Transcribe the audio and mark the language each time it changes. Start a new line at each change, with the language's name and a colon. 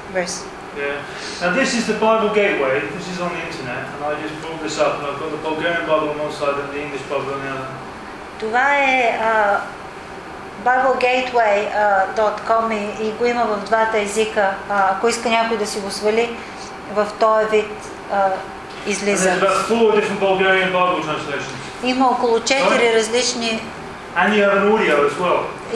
English: Yeah. Now this is the Bible Gateway. This is on the internet, and I just brought this up. And I've got the Bulgarian Bible on one side and the English Bible on the other.
Bulgarian: Това е BibleGateway.com и го има в двата езика. Ако иска някой да си го свали, в този вид излиза.
English: And there's about 4 different Bulgarian Bible translations.
Bulgarian: Има около 4 различни.
English: And you have an audio as well.